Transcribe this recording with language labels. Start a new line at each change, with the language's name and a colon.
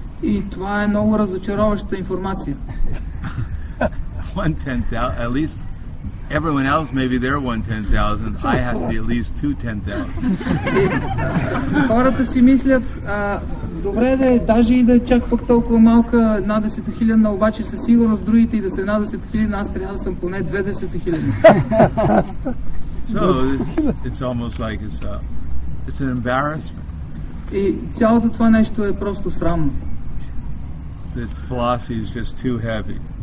Bulgarian: И това е много разочароваща информация.
English: One ten thousand, at least everyone else may be their 1/10,000. I have to be at least 2/10,000.
Bulgarian: Хората си мислят, добре да е, даже и да е чак пък толкова малка, една десетохилядна, обаче със сигурност другите и да са една десетохилядна, аз трябва да съм поне 2/10,000.
English: So it's almost like it's an embarrassment.
Bulgarian: И цялото това нещо е просто срамно.
English: This philosophy is just too heavy.